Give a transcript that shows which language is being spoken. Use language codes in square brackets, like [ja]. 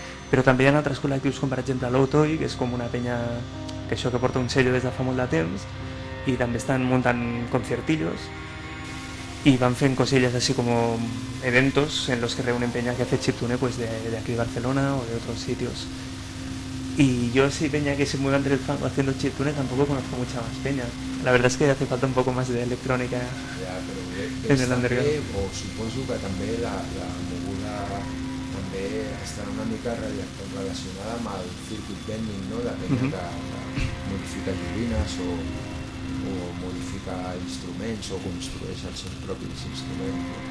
[ca] Però també hi ha altres col·lectius, com per exemple l'Outoy, que és com una penya que això que porta un sello des de fa molt de temps, i també estan muntant concertillos i van fent cosillas així com [es] eventos en los que reúnen [ca] penya que ha fet chiptune pues [es] de aquí de Barcelona o de otros sitios. Y yo sí, peña que se mueve entre el fango haciendo chiptune, tampoco conozco mucha más peña. La verdad es que hace falta un poco más de electrónica ya, pero en el underground. O supongo que también [ca] la moguda també està una mica relacionada amb el circuit bending, no? La peña que modifica joguines o modifica instruments o construeix els seus propis instruments.